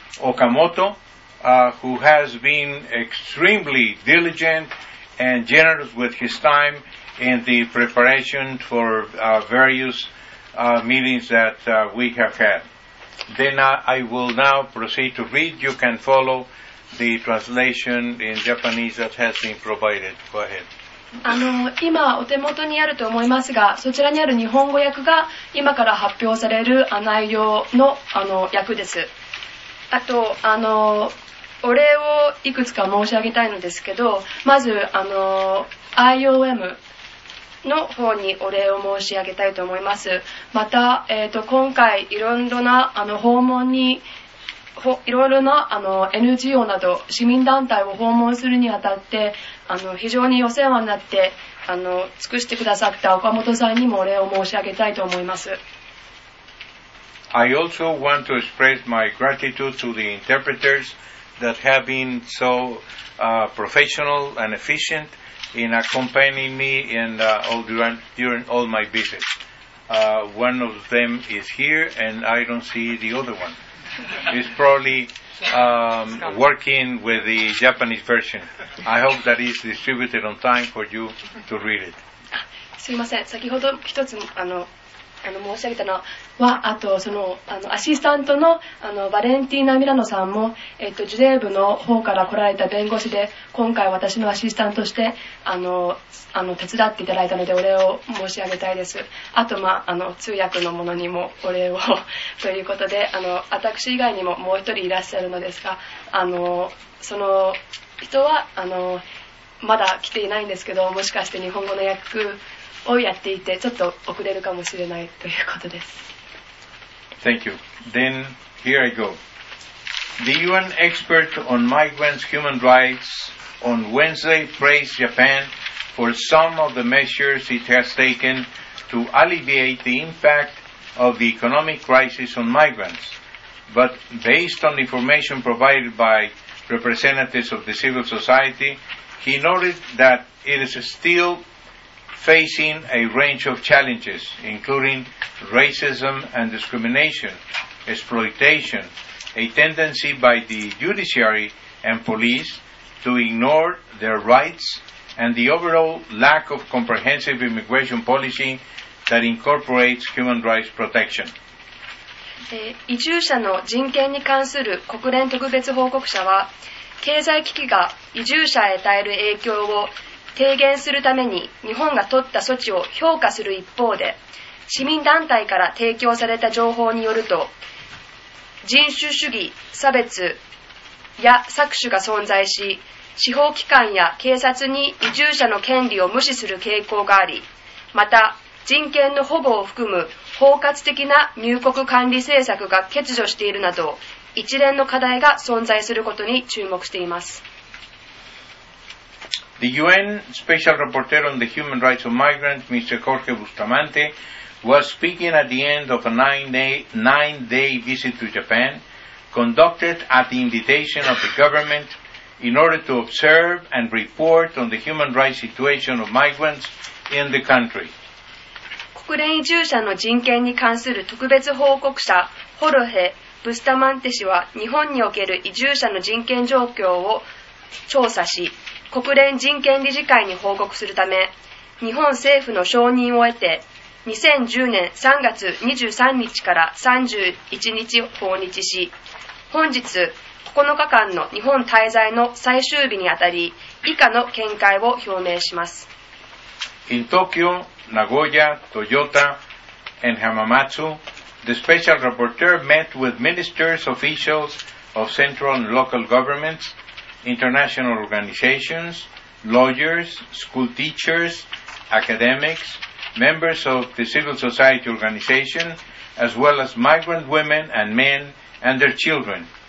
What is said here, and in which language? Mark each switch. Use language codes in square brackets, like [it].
[en] Okamoto, who has been extremely diligent and generous with his time in the preparation for various meetings that we have had. Then I will now proceed to read. You can follow the translation in Japanese that has been provided. Go ahead. [ja] 今お手元にあると思いますが、そちらにある日本語訳が今から発表される内容の訳です。あと、お礼をいくつか申し上げたいのですけど、まず、IOM の方にお礼を申し上げたいと思います。また、今回いろいろな訪問に、いろいろな NGO など市民団体を訪問するにあたって非常にお世話になって尽くしてくださった岡本さんにもお礼を申し上げたいと思います。 [en] I also want to express my gratitude to the interpreters that have been so professional and efficient in accompanying me and during all my visits. One of them is here and I don't see the other one. Is probably working with the Japanese version. I hope that is distributed on time for you to read it. [ja] すみません。先ほど一つ申し上げたのは、あとアシスタントのバレンティーナ・ミラノさんも、ジュネーブの方から来られた弁護士で、今回私のアシスタントとして手伝っていただいたのでお礼を申し上げたいです。あと、通訳の者にもお礼をということで、私以外にももう一人いらっしゃるのですが、その人はまだ来ていないんですけど、もしかして日本語の訳をやっていてちょっと遅れるかもしれないということです。 [en] Thank you. Then here I go. The UN expert on migrants' human rights on Wednesday praised Japan for some of the measures it has taken to alleviate the impact of the economic crisis on migrants. But based on information provided by representatives of the civil society, he noted that it is still. Facing a range of challenges, including racism and discrimination, exploitation, a tendency by the judiciary and police to ignore their rights, and the overall lack of comprehensive immigration policy that incorporates human rights protection. [ja] 移住者の人権に関する国連特別報告者は、経済危機が移住者へ与える影響を低減するために日本が取った措置を評価する一方で、市民団体から提供された情報によると、人種主義、差別や搾取が存在し、司法機関や警察に移住者の権利を無視する傾向があり、また人権の保護を含む包括的な入国管理政策が欠如しているなど、一連の課題が存在することに注目しています。 [en] The UN Special Rapporteur on the Human Rights of Migrants, Mr. Jorge Bustamante, was speaking at the end of a nine-day visit to Japan, conducted at the invitation of the government, in order to observe and report on the human rights situation of migrants in the country. [ja] 国連移住者の人権に関する特別報告者、ホルヘ・ブスタマンテ氏は、日本における移住者の人権状況を調査し、国連人権理事会に報告するため、日本政府の承認を得て、2010年3月23日から31日訪日し、本日9日間の日本滞在の最終日にあたり、以下の見解を表明します。 [en] In Tokyo, Nagoya, Toyota, and Hamamatsu, the special rapporteur met with ministers, officials of central and local governments,international organizations, lawyers, school teachers, academics, members of the civil society organization, as well as migrant women and men and their children.